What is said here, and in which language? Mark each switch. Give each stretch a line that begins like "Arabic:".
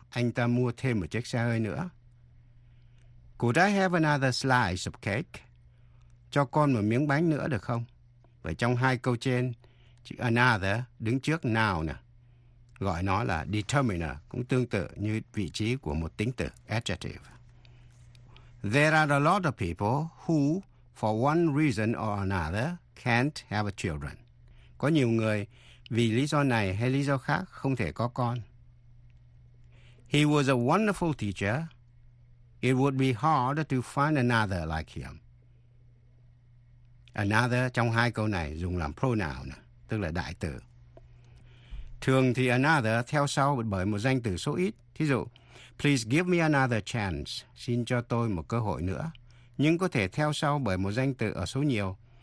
Vietnamese: Anh ta mua thêm một chiếc xe hơi nữa.
English: Could I have another slice of cake?
Vietnamese: Cho con một miếng bánh nữa được không? Và trong hai câu trên, chữ another đứng trước noun nè. Gọi nó là determiner, cũng tương tự như vị trí của một tính từ, adjective.
English: There are a lot of people who, for one reason or another, can't have children.
Vietnamese: Có nhiều người vì lý do này hay lý do khác không thể có con.
English: He was a wonderful teacher. It would be hard to find another like him.
Vietnamese: Another trong hai câu này dùng làm pronoun, tức là đại từ. Thường thì another theo sau bởi một danh từ số ít. Thí dụ,
English: please give me another chance.
Vietnamese: Xin cho tôi một cơ hội nữa. Nhưng có thể theo sau bởi một danh từ ở số nhiều.